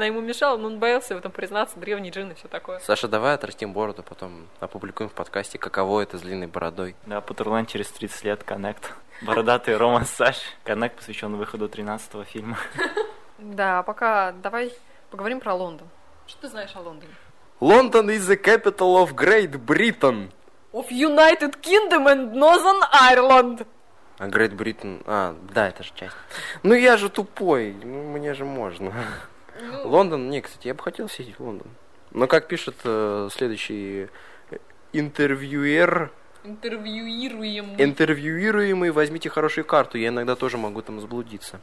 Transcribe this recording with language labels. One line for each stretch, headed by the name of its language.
Russian: Она ему мешала, но он боялся в этом признаться. Древний джин и все такое. Саша, давай отрастим бороду, потом опубликуем в подкасте, каково это с длинной бородой. Да, Патерлан через 30 лет, коннект. Бородатый Рома Саш. Коннект посвящен выходу 13-го фильма. Да, а пока давай поговорим про Лондон. Что ты знаешь о Лондоне?
English: London is the capital of Great Britain. Of United Kingdom and Northern Ireland.
Russian: А Great Britain... А, да, это же часть. Ну я же тупой, ну мне же можно. Лондон, не, кстати, я бы хотел съездить в Лондон. Но как пишет следующий интервьюер... Интервьюируемый, возьмите хорошую карту, я иногда тоже могу там заблудиться.